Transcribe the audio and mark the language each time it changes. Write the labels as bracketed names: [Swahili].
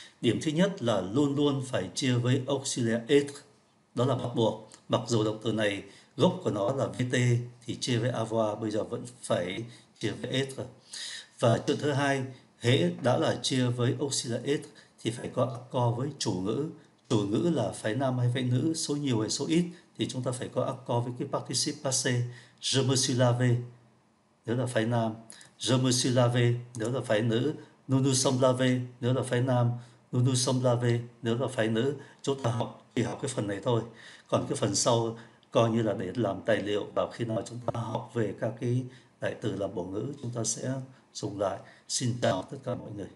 [Vietnamese] Điểm thứ nhất là luôn luôn phải chia với auxiliary aid, đó là bắt buộc, mặc dù động từ này gốc của nó là VT thì chia với AVA bây giờ vẫn phải chia với S rồi. Và chữ thứ hai, hễ đã là chia với auxiliary S thì phải có accord với chủ ngữ. Chủ ngữ là phái nam hay phái nữ, số nhiều hay số ít thì chúng ta phải có accord với cái participe passé. [French] Je me suis lavé, [Vietnamese] nếu là phái nam. [French] Je me suis lavé, [Vietnamese] nếu là phái nữ. [French] Nous nous sommes lavés, [Vietnamese] nếu là phái nam. [French] Nous nous sommes lavés, [Vietnamese] nếu là phái nữ. Chúng ta học chỉ học cái phần này thôi. Còn cái phần sau coi như là để làm tài liệu, và khi nào chúng ta học về các cái đại từ làm bổ ngữ chúng ta sẽ dùng lại. Xin chào tất cả mọi người.